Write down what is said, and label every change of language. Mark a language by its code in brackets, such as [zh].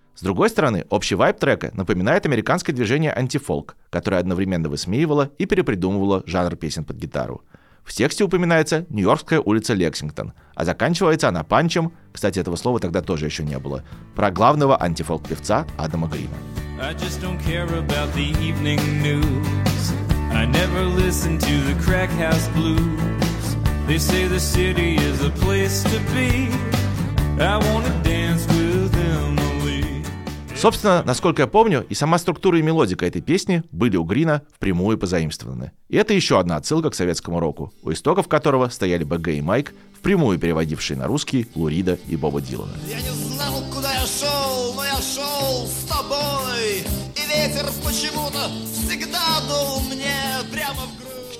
[ru] С другой стороны, общий вайб трека напоминает американское движение антифолк, которое одновременно высмеивало и перепридумывало жанр песен под гитару. В тексте упоминается «Нью-Йоркская улица Лексингтон», а заканчивается она панчем, кстати, этого слова тогда тоже еще не было, про главного антифолк-певца Адама Грина. [en] I just don't care about the evening news. I never listen to the crack house blues. They say the city is a place to be. I wanna dance with Emily. [ru] Собственно, насколько я помню, и сама структура и мелодика этой песни были у Грина впрямую позаимствованы. И это еще одна отсылка к советскому року, у истоков которого стояли БГ и Майк, впрямую переводившие на русский Лу Рида и Боба Дилана. Я не знал, куда я шел, но я шел с тобой, и ветер почему-то всегда дул мне прямо в грудь.